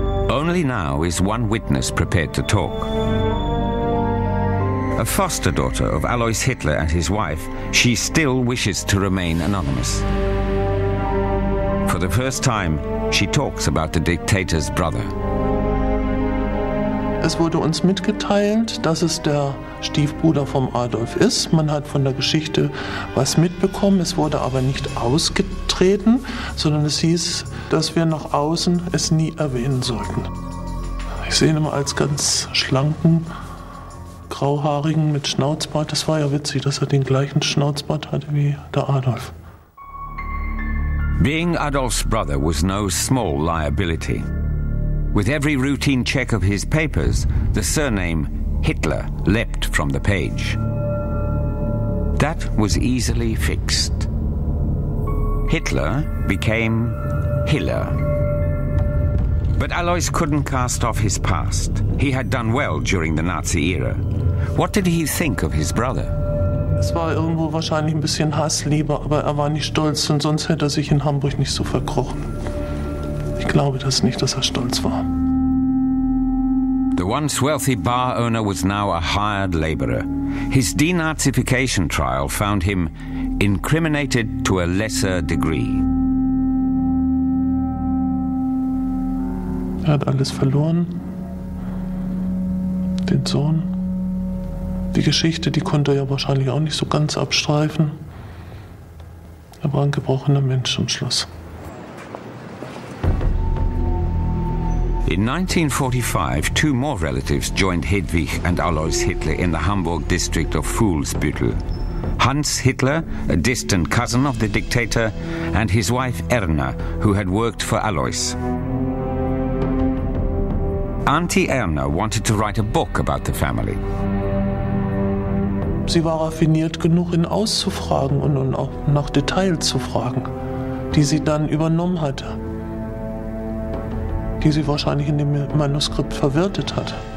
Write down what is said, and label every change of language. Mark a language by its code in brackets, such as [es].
[en] Only now is one witness prepared to talk. A foster daughter of Alois Hitler and his wife, she still wishes to remain anonymous. For the first time, she talks about the dictator's brother. [de] Es wurde uns mitgeteilt, dass es der Stiefbruder vom Adolf ist. Man hat von der Geschichte was mitbekommen. Es wurde aber nicht ausgetreten, sondern es hieß, dass wir nach außen es nie erwähnen sollten. Ich sehe ihn immer als ganz schlanken, grauhaarigen mit Schnauzbart. Das war ja witzig, dass er den gleichen Schnauzbart hatte wie der Adolf. [en] Being Adolf's brother was no small liability. With every routine check of his papers, the surname Hitler leapt from the page. That was easily fixed. Hitler became Hiller. But Alois couldn't cast off his past. He had done well during the Nazi era. What did he think of his brother? [de] Es war irgendwo wahrscheinlich ein bisschen Hassliebe, aber er war nicht stolz, und sonst hätte er sich in Hamburg nicht so verkrochen. Ich glaube das nicht, dass er stolz war. [en] The once wealthy bar owner was now a hired laborer. His denazification trial found him incriminated to a lesser degree. [de] Er hat alles verloren. Den Sohn. Die Geschichte, die konnte er ja wahrscheinlich auch nicht so ganz abstreifen. Er war ein gebrochener Mensch am Schluss. [en] In 1945, two more relatives joined Hedwig and Alois Hitler in the Hamburg district of Fuhlsbüttel. Hans Hitler, a distant cousin of the dictator, and his wife Erna, who had worked for Alois. Auntie Erna wanted to write a book about the family. [de] Sie war raffiniert genug, ihn auszufragen und auch nach Details zu fragen, die sie dann übernommen hatte. Die sie wahrscheinlich in dem Manuskript verwirrt hat.